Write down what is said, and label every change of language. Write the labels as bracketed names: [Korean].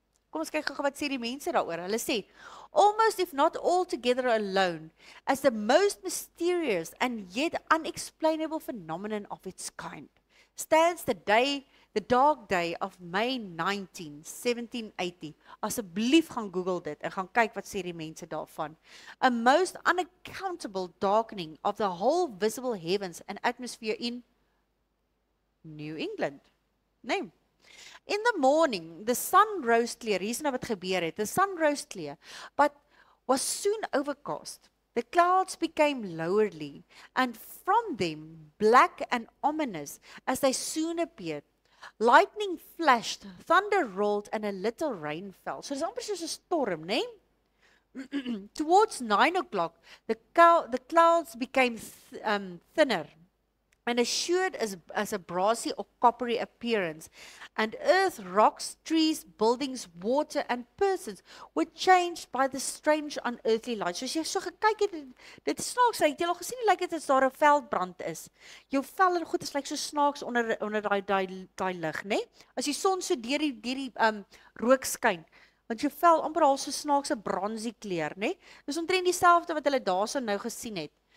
[Afrikaans] Kom ons kyk gou wat sê die mense daaroor. Hulle sê, [English] almost if not altogether alone, as the most mysterious and yet unexplainable phenomenon of its kind, stands the dark day of May 19, 1780. [Afrikaans] Asseblief gaan Google dit en gaan kyk wat sê die mense daarvan. [English] A most unaccountable darkening of the whole visible heavens and atmosphere in New England. Nee. In the morning, the sun rose clear. [Afrikaans] Hier is nou wat gebeur het. [English] The sun rose clear, but was soon overcast. The clouds became lowerly, and from them, black and ominous, as they soon appeared. Lightning flashed, thunder rolled, and a little rain fell. [Afrikaans] So dis amper soos 'n storm, né? Nee? [English] Towards 9 o'clock, the clouds became thinner, and assured as a brassy or coppery appearance, and earth, rocks, trees, buildings, water, and persons were changed by the strange unearthly light. [Afrikaans] So as jy so gekyk het, dit snaaks, het jy al gesien, dit lyk het as daar 'n veldbrand is. Jou vel en goed is lyk so snaaks onder die lig, né? Nee? As die son so deur die rook skyn, want jou vel amper al so snaaks 'n bronsie kleur, né? Nee? Dis omtrent dieselfde wat hulle daarso nou gesien het.